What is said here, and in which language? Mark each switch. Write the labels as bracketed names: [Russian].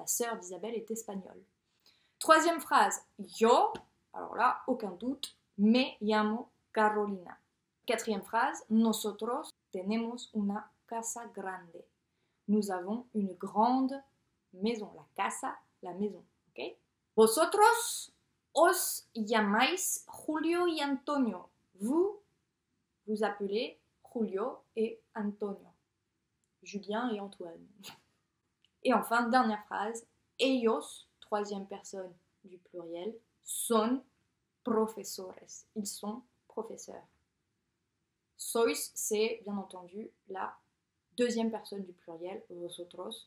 [French] La sœur d'Isabelle est espagnole. Troisième phrase, [Spanish] yo, [French] alors là, aucun doute, [Spanish] me llamo Carolina. [French] Quatrième phrase, [Spanish] nosotros tenemos una casa grande. [French] Nous avons une grande maison, [Spanish] la casa, [French] la maison. Okay? [Spanish] Vosotros os llamáis Julio y Antonio. [French] Vous vous appelez Julio et Antonio. Julien et Antoine. Et enfin, dernière phrase, [Spanish] ellos, [French] troisième personne du pluriel, [Spanish] son profesores. [French] Ils sont professeurs. Sois, c'est bien entendu la deuxième personne du pluriel, vosotros.